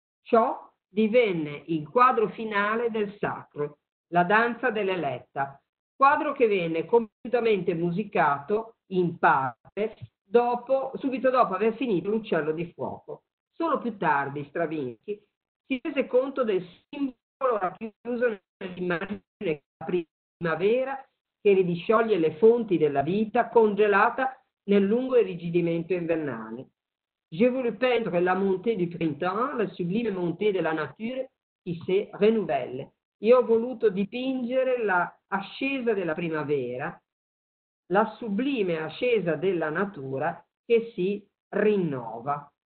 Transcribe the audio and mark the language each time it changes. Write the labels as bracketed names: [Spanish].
[Italian] Ciò divenne il quadro finale del Sacro, La danza dell'eletta, quadro che venne compiutamente musicato in parte subito dopo aver finito L'uccello di fuoco. Solo più tardi Stravinsky si rese conto del simbolo racchiuso nell'immagine della primavera che ridiscioglie le fonti della vita congelata nel lungo irrigidimento invernale. [French] Je vous répète que la montée du printemps, la sublime montée de la nature, qui se renouvelle. [Italian] Io ho voluto dipingere l'ascesa della primavera, la sublime ascesa della natura che si rinnova.